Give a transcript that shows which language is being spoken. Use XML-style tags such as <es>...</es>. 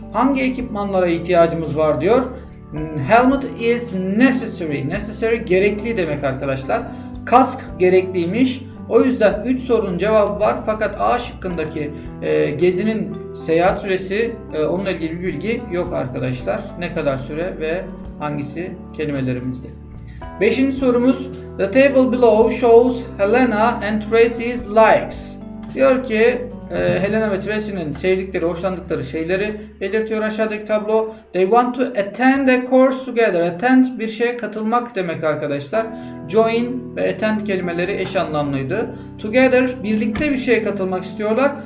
<tr>Hangi ekipmanlara ihtiyacımız var diyor.</tr> <en>Helmet is necessary.</en> <tr>Necessary gerekli demek arkadaşlar. Kask gerekliymiş. O yüzden 3 sorunun cevabı var. Fakat A şıkkındaki gezinin seyahat süresi, onunla ilgili bir bilgi yok arkadaşlar. Ne kadar süre ve hangisi kelimelerimizde. Beşinci sorumuz.</tr> <en>The table below shows Helena and Tracy's likes.</en> <tr>Diyor ki Helena ve Tracy'nin sevdikleri, hoşlandıkları şeyleri belirtiyor aşağıdaki tablo.</tr> <en>They want to attend a course together. Attend</en> <tr>bir şeye katılmak demek arkadaşlar. Join ve attend kelimeleri eş anlamlıydı. Together birlikte bir şeye katılmak istiyorlar.</tr>